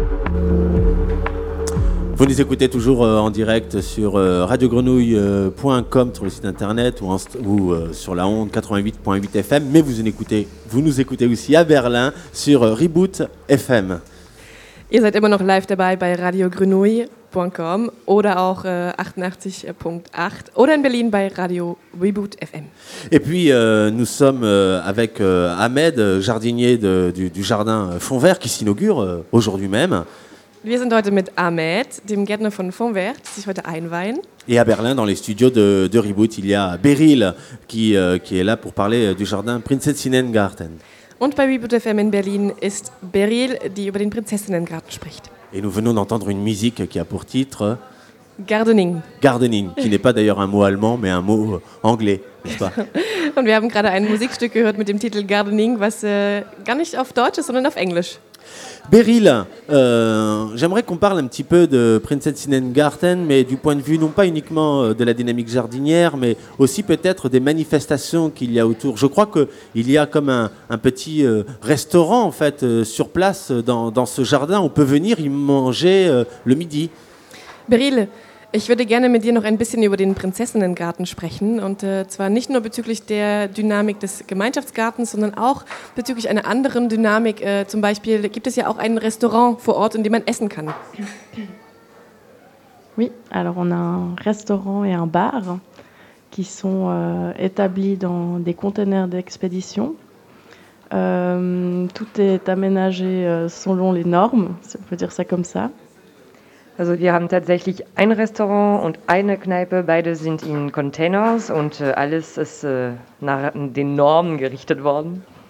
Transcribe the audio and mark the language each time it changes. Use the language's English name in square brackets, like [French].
[French] Vous nous écoutez toujours en direct sur radiogrenouille.com, sur le site internet ou sur la onde 88.8 FM. Mais vous nous écoutez aussi à Berlin sur Reboot FM. [German] Ihr seid immer noch live dabei bei radiogrenouille.com oder auch 88.8 oder in Berlin bei Radio Reboot FM. [French] Et puis nous sommes avec Ahmed, jardinier du jardin Fond Vert qui s'inaugure aujourd'hui même. [German] Wir sind heute mit Ahmed, dem Gärtner von Fond Vert, sich heute einweihen. [French] Et à Berlin, dans les studios de Reboot, il y a Beryl qui est là pour parler du jardin Prinzessinnengarten. [German] Und bei Reboot FM in Berlin ist Beryl, die über den Prinzessinnengarten spricht. [French] Et nous venons d'entendre une musique qui a pour titre... [English] Gardening. [French] Gardening, qui n'est pas d'ailleurs un mot allemand, mais un mot anglais, n'est-ce pas? [German] Und wir haben gerade ein Musikstück gehört mit dem Titel Gardening, was gar nicht auf Deutsch ist, sondern auf Englisch. [French] Beryl, j'aimerais qu'on parle un petit peu de Prinzessinnengarten, mais du point de vue non pas uniquement de la dynamique jardinière, mais aussi peut-être des manifestations qu'il y a autour. Je crois qu'il y a comme un petit restaurant en fait sur place dans ce jardin. On peut venir y manger le midi. [German] Beryl, ich würde gerne mit dir noch ein bisschen über den Prinzessinnengarten sprechen und zwar nicht nur bezüglich der Dynamik des Gemeinschaftsgartens, sondern auch bezüglich einer anderen Dynamik. Zum Beispiel gibt es ja auch ein Restaurant vor Ort, in dem man essen kann. [French] Oui, alors on a un restaurant et un bar qui sont établis dans des containers d'expédition. Tout est aménagé selon les normes, si on peut dire ça comme ça. [German] Also wir haben tatsächlich ein Restaurant und eine Kneipe, beide sind in Containers und alles ist nach den Normen gerichtet worden.